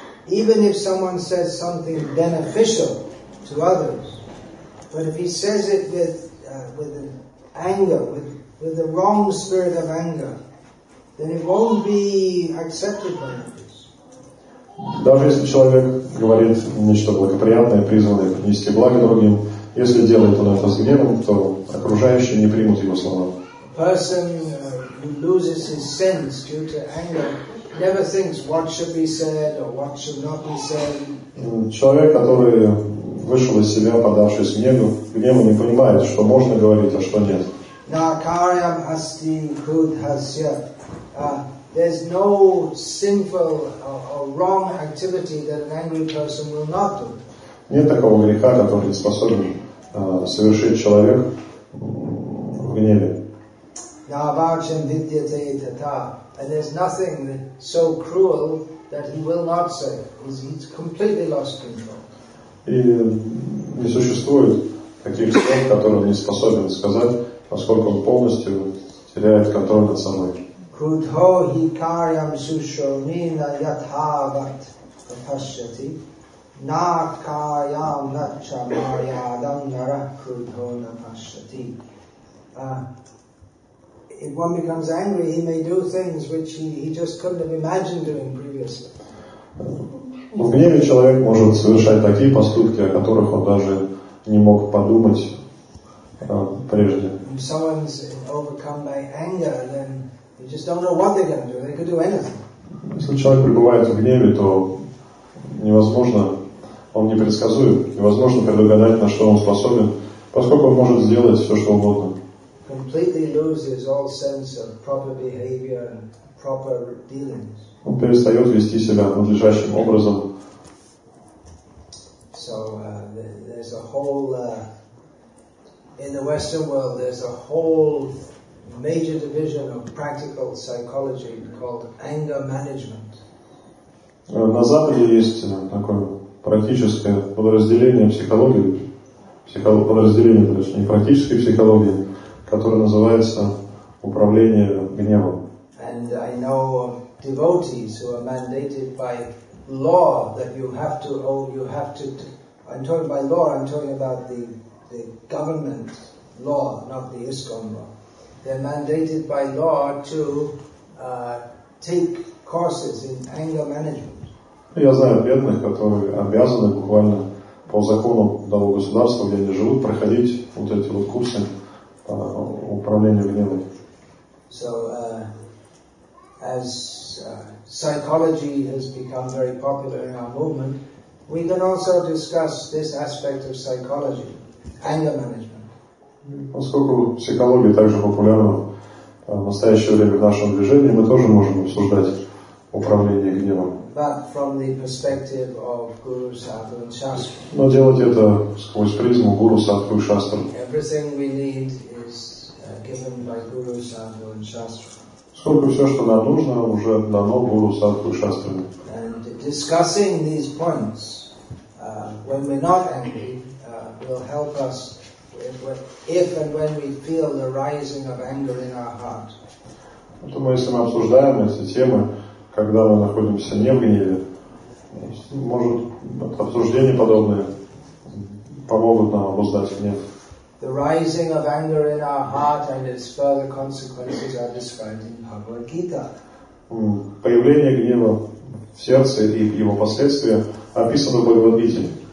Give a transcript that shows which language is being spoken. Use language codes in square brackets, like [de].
[en] Even if someone says something beneficial to others, but if he says it with anger, with the wrong spirit of anger, then it won't be accepted by others. [ru] Даже если человек говорит нечто благоприятное, призванное принести благо другим, если делает он это с гневом, то окружающие не примут его слова. [en] A person who loses his sense due to anger never thinks what should be said or what should not be said. [ru] Человек, который вышел из себя, поддавшись гневу, не понимает, что можно говорить, а что нет. [sa] Накарям асти крудхасья. [en] There's no sinful or wrong activity that an angry person will not do. [ru] Нет такого греха, который способен совершить человек в гневе. [sa] Навачам видьяте тата. [en] And there's nothing so cruel that he will not say. He's completely lost control. [ru] И не существует таких слов, которые он не способен сказать, поскольку он полностью теряет контроль над собой. [sa] Крудхо хи карьям сушомина ятхават капашьяти на карьям нача марьядам нара крудхо напашьяти. [en] If one becomes angry, he may do things which he just couldn't have imagined doing previously. [ru] В гневе человек может совершать такие поступки, о которых он даже не мог подумать прежде. [en] If someone's overcome by anger, then they just don't know what they're going to do. They could do anything. [ru] Если человек пребывает в гневе, то невозможно, он непредсказуем, невозможно предугадать, на что он способен, поскольку он может сделать все, что угодно. [en] Completely loses all sense of proper behavior and proper dealings. [ru] Он перестает вести себя надлежащим образом. [en] So there's a whole in the Western world there's a whole major division of practical psychology called anger management. [ru] На Западе есть такое практическое подразделение психологии, подразделение, то есть не практической психологии, которая называется управление гневом. [en] And I know of devotees who are mandated by law that you have to own, you have to, I'm talking by law, I'm talking about the government law, not the ISKCON law. They're mandated by law to take courses in anger management. [ru] Я знаю бедных, которые обязаны буквально по закону данного государства, где они живут, проходить вот эти вот курсы по управлению гневом. [en] So, as psychology has become very popular in our movement, we can also discuss this aspect of psychology, anger management. [ru] Поскольку психология также популярна в настоящее время в нашем движении, мы тоже можем обсуждать управление гневом. [en] But from the perspective of Guru, Sadhu, and Shastra. [ru] Но делать это сквозь призму Гуру, Садху и Шастры. [en] Everything we need is given by Guru, Sadhu, and Shastra. [ru] Сколько все, что нам нужно, уже дано Гуру, Садху и Шастры. [en] And discussing these points, when we're not angry, will help us if and when we feel the rising of anger in our heart. [ru] Поэтому если мы обсуждаем эти темы, когда мы находимся не в гневе, может, обсуждения подобные помогут нам обуздать гнев. [en] The rising of anger in our heart and its further consequences are described in Bhagavad Gita. [ru] Появление гнева в сердце и его последствия описаны в Бхагавад Гите.